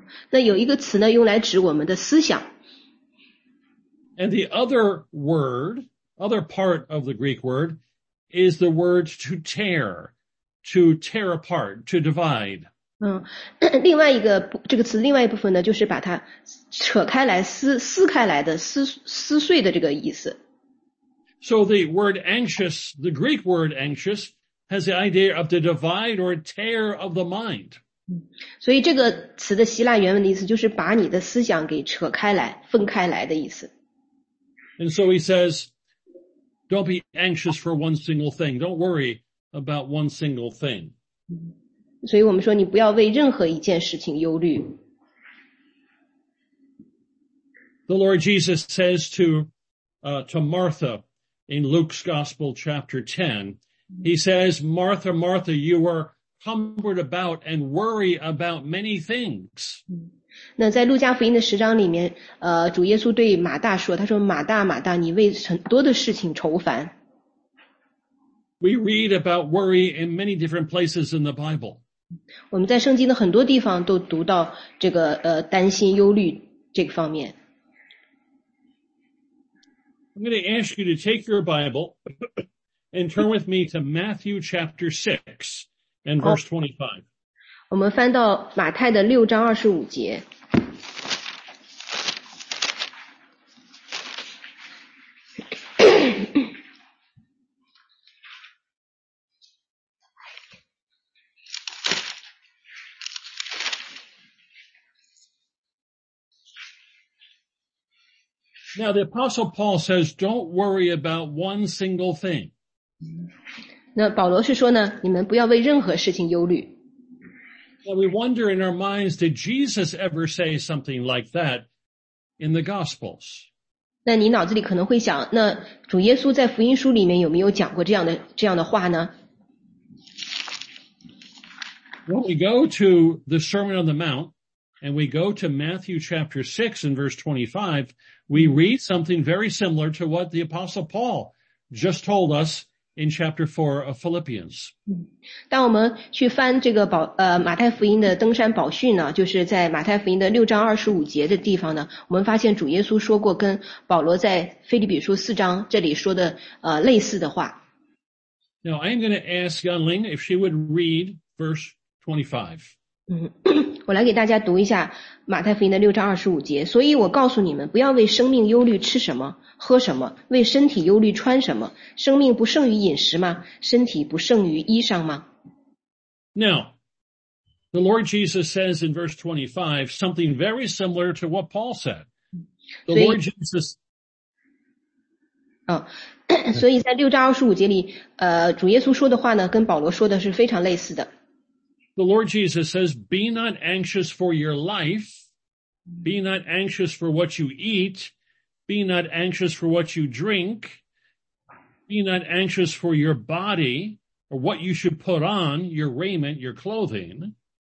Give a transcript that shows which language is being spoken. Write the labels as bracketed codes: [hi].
[zh] 那有一个词呢，用来指我们的思想。 [en] And the other part of the Greek word is the word to tear apart, to divide. [zh] 另外一个这个词另外一部分呢，就是把它扯开来，撕开来的，撕碎的这个意思。 [en] So the word anxious, the Greek word anxious, has the idea of the divide or tear of the mind. [zh] 所以这个词的希腊原文的意思就是把你的思想给扯开来，分开来的意思。 [en] And so he says, Don't be anxious for one single thing. Don't worry about one single thing. [zh] 所以我们说你不要为任何一件事情忧虑。 [en] The Lord Jesus says to Martha in Luke's Gospel chapter 10, he says, Martha, Martha, you are cumbered about and worry about many things. [zh] 那在路加福音的十章里面主耶稣对马大说他说马大马大你为很多的事情愁烦。 [en] We read about worry in many different places in the Bible. [zh] 我们在圣经的很多地方都读到这个担心忧虑这个方面。 [en] I'm going to ask you to take your Bible and turn with me to Matthew chapter 6 and verse 25. [zh] 我们翻到马太的六章二十五节。 [en] Now, the Apostle Paul says, don't worry about one single thing. [zh] 那保罗是说呢，你们不要为任何事情忧虑。 [en] Well, we wonder in our minds, did Jesus ever say something like that in the Gospels? [zh] 那你脑子里可能会想，那主耶稣在福音书里面有没有讲过这样的话呢？ [en] When we go to the Sermon on the Mount, and we go to Matthew chapter 6 and verse 25, we read something very similar to what the Apostle Paul just told us in chapter 4 of Philippians. [zh] 当我们去翻这个马太福音的登山宝训呢，就是在马太福音的六章二十五节的地方呢，我们发现主耶稣说过跟保罗在腓立比书四章这里说的类似的话。 [en] Now I'm going to ask Yan Ling if she would read verse 25. [zh] 我来给大家读一下马太福音的六章二十五节。所以我告诉你们，不要为生命忧虑吃什么、喝什么，为身体忧虑穿什么。生命不胜于饮食吗？身体不胜于衣裳吗？ [en] Now, the Lord Jesus says in verse 25 something very similar to what Paul said. The Lord Jesus. [zh] 所以在六章二十五节里，主耶稣说的话呢，跟保罗说的是非常类似的。 [en] The Lord Jesus says, be not anxious for your life, be not anxious for what you eat, be not anxious for what you drink, be not anxious for your body, or what you should put on, your raiment, your clothing.